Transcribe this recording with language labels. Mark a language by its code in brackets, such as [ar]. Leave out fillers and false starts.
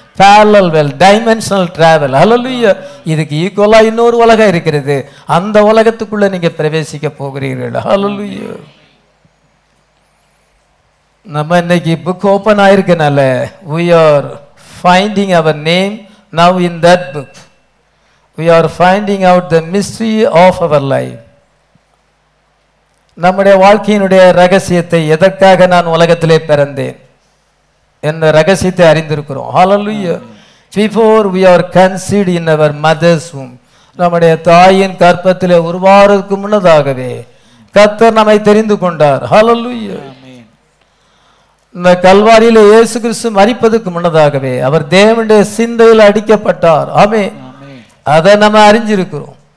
[en] Parallel world, dimensional travel. Hallelujah. [ta] இதுக்கு ஈக்குவலா இன்னொரு உலகம் இருக்கிறது, அந்த உலகத்துக்குள்ள நீங்க பிரவேசிக்க போகிறீர்கள். ஹல்லேலூயா. நம்ம இன்னைக்கு book open ஆயிருக்கனால [en] we are finding our name now in that book. We are finding out the mystery of our life. [ta] நம்முடைய வாழ்க்கையினுடைய ரகசியத்தை, எதற்காக நான் உலகத்திலே பிறந்தேன் என்ற ரகசியத்தை அறிந்திருக்கிறோம். ஹல்லேலூயா. [en] Before we are conceived in our mother's womb. [ta] நம்முடைய தாயின் கர்ப்பத்திலே உருவாறதுக்கு முன்னதாகவே கர்த்தர் நம்மை தெரிந்து கொண்டார். ஹல்லேலூயா. இந்த கல்வாரியில இயேசு கிறிஸ்து மரிப்பதற்கு முன்னதாகவே அவர் தேவனுடைய சிந்தையில் அடிக்கப்பட்டார். ஆமே, அதை நம்ம அறிஞ்சிருக்கிறோம்.